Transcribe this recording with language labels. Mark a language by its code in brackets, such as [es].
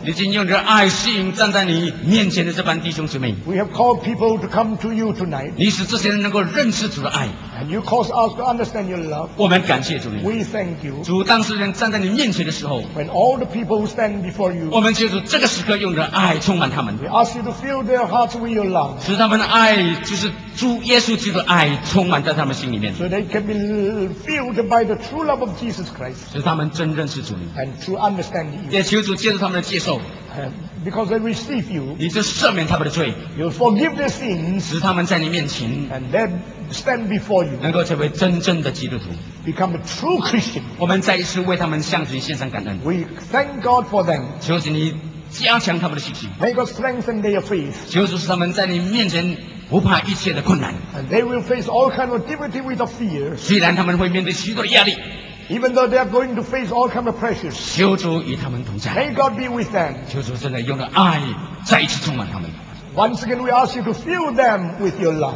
[zh] 你已经用你的爱吸引站在你面前的这班弟兄姊妹。 [en] We have called people to come to you tonight. [zh] 你使这些人能够认识主的爱。 [en] And you cause us to understand your love. [zh] 我们感谢主你。 [en] We thank you. [zh] 主，当世人站在你面前的时候。 [en] When all the people who stand before you. [zh] 我们借助这个时刻用你的爱充满他们。 [en] We ask you to fill their hearts with your love. [zh] 使他们的爱就是主耶稣基督的爱充满在他们心里面。 [en] So they can be filled by the true love of Jesus Christ. [zh] 使他们真认识主你。 [en] And true understand you. [zh] 也求主借助他们的接受。 [en] Because they receive you, [zh] 你就赦免他们的罪， [en] you forgive their sins, [zh] 使他们在你面前， [en] and then stand before you, [zh] 能够成为真正的基督徒， [en] become a true Christian. [zh] 我们再一次为他们向主献上感恩。 [en] We thank God for them. [zh] 求主你加强他们的信心。 [en] May God strengthen their faith. [zh] 求主使他们在你面前不怕一切的困难。 [en] And they will face all kind of difficulty with the fear. [zh] 虽然他们会面对许多的压力。 [en] Even though they are going to face all kinds of pressures, [zh] 求主与他们同在。 [en] May God be with them. [zh] 求主真的用了爱再一次充满他们。 [en] Once again, we ask you to fill them with your love.